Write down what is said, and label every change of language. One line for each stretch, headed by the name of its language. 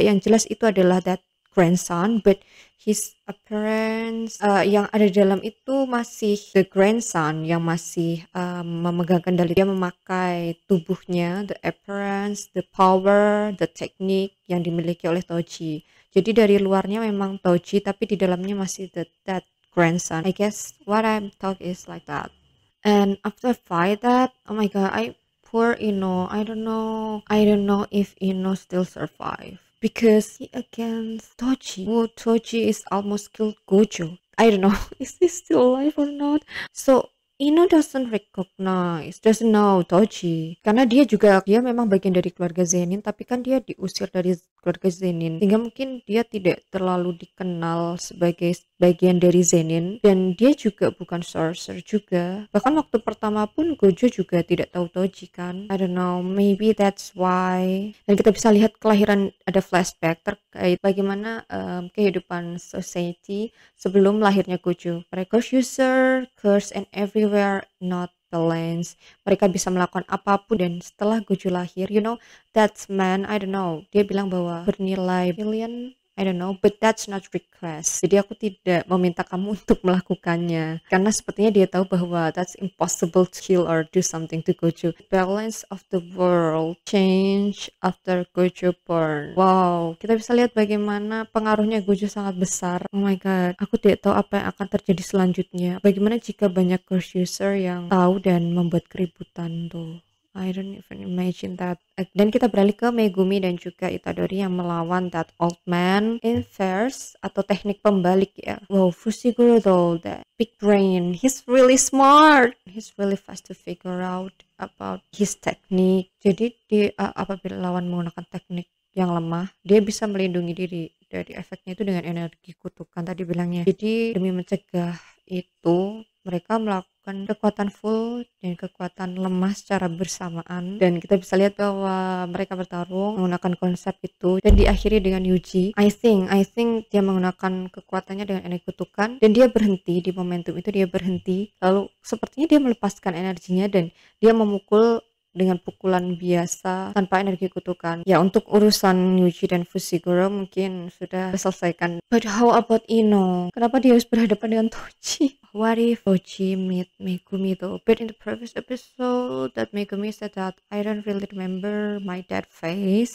Indonesian: Yang jelas itu adalah
English: that grandson, but his appearance
Indonesian: yang ada di dalam itu masih
English: the grandson
Indonesian: yang masih memegang kendali. Dia memakai tubuhnya,
English: the appearance, the power, the technique
Indonesian: yang dimiliki oleh Toji. Jadi dari luarnya memang Toji, tapi di dalamnya masih
English: that grandson. I guess what I'm talk is like that. And after fight that, oh my god, I don't know if Ino still survive. Because he against Toji. Well, Toji is almost killed Gojo. I don't know. Is he still alive or not? So, Ino doesn't recognize. Doesn't know Toji.
Indonesian: Karena dia juga, dia memang bagian dari keluarga Zenin. Tapi kan dia diusir dari keluarga Zenin. Sehingga mungkin dia tidak terlalu dikenal sebagai bagian dari Zenin. Dan dia juga bukan sorcerer juga. Bahkan waktu pertama pun Gojo juga tidak tahu Toji kan.
English: I don't know, maybe that's why.
Indonesian: Dan kita bisa lihat kelahiran, ada flashback terkait bagaimana kehidupan society sebelum lahirnya Gojo.
English: Record user, curse and everywhere, not the lens.
Indonesian: Mereka bisa melakukan apapun dan setelah Gojo lahir,
English: you know, that man, I don't know,
Indonesian: dia bilang bahwa bernilai
English: billion, I don't know, but that's not request.
Indonesian: Jadi aku tidak meminta kamu untuk melakukannya. Karena sepertinya dia tahu bahwa
English: that's impossible to kill or do something to Gojo. Balance of the world change after Gojo born.
Indonesian: Wow, kita bisa lihat bagaimana pengaruhnya Gojo sangat besar. Oh my god, aku tidak tahu apa yang akan terjadi selanjutnya. Bagaimana jika banyak curse user yang tahu dan membuat keributan tuh.
English: I don't even imagine that.
Indonesian: Dan kita beralih ke Megumi dan juga Itadori yang melawan
English: that old man.
Indonesian: Inverse atau teknik pembalik ya.
English: Wow, Fushiguro though, that big brain. He's really smart. He's really fast to figure out about his technique.
Indonesian: Jadi dia apabila lawan menggunakan teknik yang lemah, dia bisa melindungi diri dari efeknya itu dengan energi kutukan tadi bilangnya. Jadi demi mencegah itu, mereka melakukan kekuatan full dan kekuatan lemah secara bersamaan. Dan kita bisa lihat bahwa mereka bertarung menggunakan konsep itu. Dan diakhiri dengan Yuji.
English: I think
Indonesian: dia menggunakan kekuatannya dengan energi kutukan. Dan dia berhenti di momentum itu, dia berhenti. Lalu sepertinya dia melepaskan energinya dan dia memukul dengan pukulan biasa tanpa energi kutukan. Ya, untuk urusan Yuji dan Fushiguro mungkin sudah selesaikan.
English: But how about Ino?
Indonesian: Kenapa dia harus berhadapan dengan Toji?
English: What if Toji meet Megumi though? But in the previous episode that Megumi said that I don't really remember my dad face.